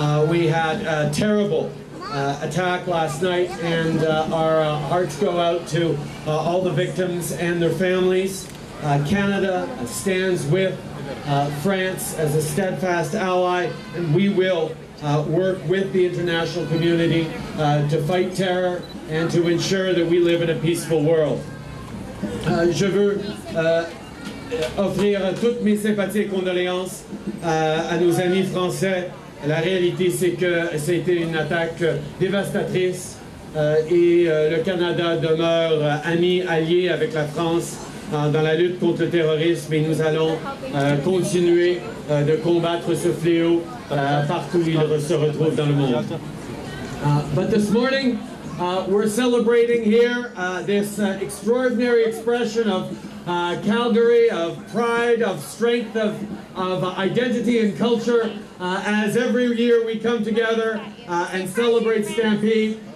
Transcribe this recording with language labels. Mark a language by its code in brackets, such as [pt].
[en] We had a terrible attack last night, and our hearts go out to all the victims and their families. Canada stands with France as a steadfast ally, and we will work with the international community to fight terror and to ensure that we live in a peaceful world. [fr] Je veux offrir toutes mes sympathies et condoléances à nos amis français. La réalité, c'est que c'était une attaque dévastatrice et le Canada demeure ami, allié avec la France dans la lutte contre le terrorisme et nous allons continuer de combattre ce fléau partout où il se retrouve dans le monde. [en] But this morning, we're celebrating here this extraordinary expression of Calgary, of pride, of strength, of identity and culture as every year we come together and celebrate Stampede.